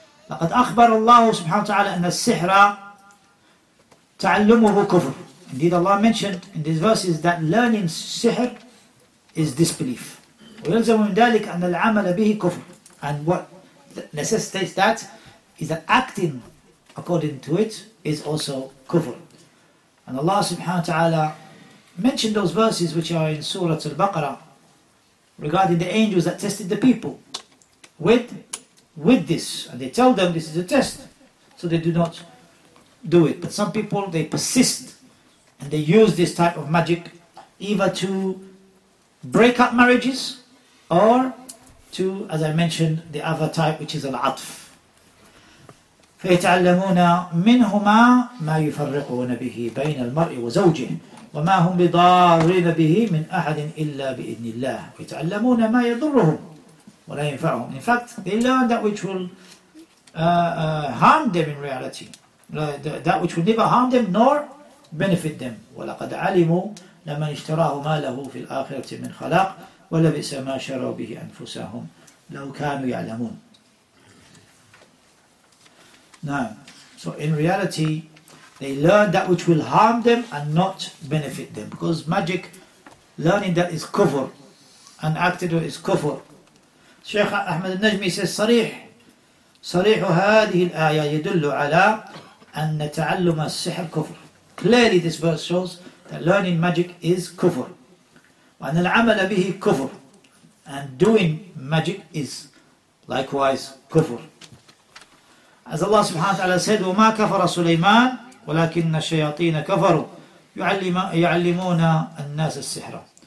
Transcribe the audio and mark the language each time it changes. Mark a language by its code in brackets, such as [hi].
[ar] لقد أخبر الله سبحانه وتعالى أن السحر تعلمه كفر. [en] Indeed, Allah mentioned in these verses that learning sihr is disbelief. [ar] ويلزم من ذلك أن العمل به كفر. [en] And what necessitates that is that acting according to it is also kufr. And Allah subhanahu wa ta'ala mentioned those verses which are in Surah Al-Baqarah regarding the angels that tested the people with this. And they tell them this is a test, so they do not do it. But some people, they persist and they use this type of magic either to break up marriages or to, as I mentioned, the other type, which is Al-Atf. [ar] فيتعلمون منهما ما يفرقون به بين المرء وزوجه وما هم بضارين به من أحد إلا بإذن الله ويتعلمون ما يضرهم ولا ينفعهم. [en] In fact, they learn that which will harm them in reality, that which will never harm them nor benefit them. [ar] ولقد علموا لمن اشتراه ماله في الآخرة من خلاق ولبئس ما شروا به أنفسهم لو كانوا يعلمون. [en] Now, so in reality, they learn that which will harm them and not benefit them. Because magic, learning that is kufr, and acting is kufr. Shaykh Ahmad al-Najmi says, [ar] صريح, صريح هذه الآية يدل على أن تعلم السحر كفر. [en] Clearly this verse shows that learning magic is kufr. [ar] وأن العمل به كفر. [en] And doing magic is likewise kufr. As Allah subhanahu wa ta'ala said, [ar] وَمَا كَفَرَ سُلَيْمَانَ وَلَكِنَّ الشَّيَاطِينَ كَفَرُوا يُعَلِّمُونَ النَّاسَ السِّحْرَ.